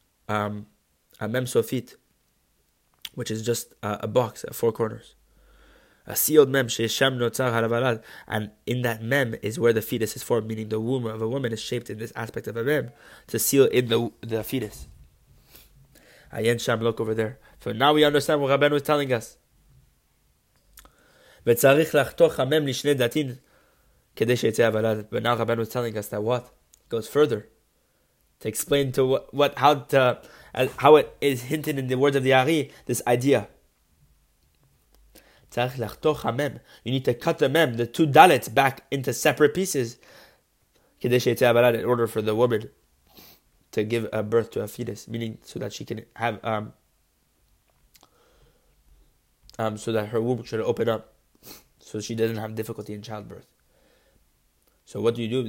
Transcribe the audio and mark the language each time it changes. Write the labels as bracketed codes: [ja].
[en] A mem sofit, which is just a box at four corners. A sealed mem, [he] sheisham notzar halavalad. [en] And in that mem is where the fetus is formed, meaning the womb of a woman is shaped in this aspect of a mem to seal in the fetus. [he] Ayen sham, [en] look over there. So now we understand what Rabbeinu is telling us. [he] וצריך לחתוך המם לשני דתין כדי שיצא הוולד. [en] But now Rabbeinu is telling us that what goes further to explain to how it is hinted in the words of the Ari, this idea. [he] צריך לחתוך המם. [en] You need to cut the mem, the two dalets, back into separate pieces [he] כדי שיצא הוולד, [en] in order for the woman to give a birth to a fetus, meaning so that she can have so that her womb should open up, so she doesn't have difficulty in childbirth. So what do you do?